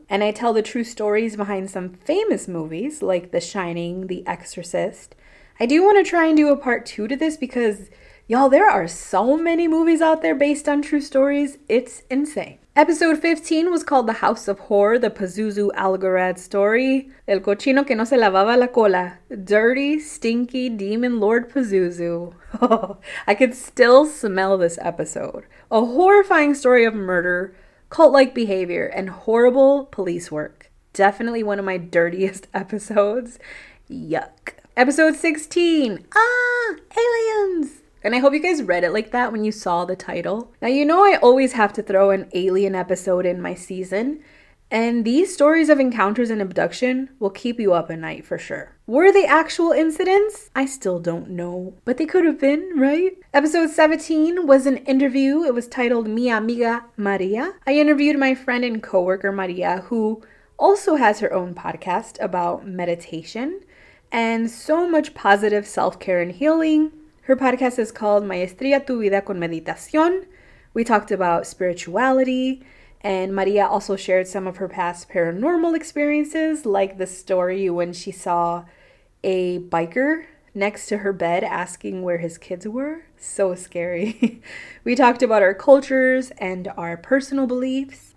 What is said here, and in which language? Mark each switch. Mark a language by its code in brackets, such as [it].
[en] And I tell the true stories behind some famous movies like The Shining, The Exorcist. I do want to try and do a part two to this because y'all, there are so many movies out there based on true stories. It's insane. Episode 15 was called The House of Horror, the Pazuzu Algarad story. [es] El cochino que no se lavaba la cola. [en] Dirty, stinky, demon lord Pazuzu. I could still smell this episode. A horrifying story of murder, cult-like behavior, and horrible police work. Definitely one of my dirtiest episodes. Yuck. Episode 16. Ah! Aliens! And I hope you guys read it like that when you saw the title. Now, you know I always have to throw an alien episode in my season, and these stories of encounters and abduction will keep you up at night for sure. Were they actual incidents? I still don't know, but they could have been, right? Episode 17 was an interview. It was titled Mi Amiga Maria. I interviewed my friend and coworker Maria, who also has her own podcast about meditation and so much positive self-care and healing. Her podcast is called Maestría Tu Vida con Meditación. We talked about spirituality, and Maria also shared some of her past paranormal experiences, like the story when she saw a biker next to her bed asking where his kids were. So scary. We talked about our cultures and our personal beliefs.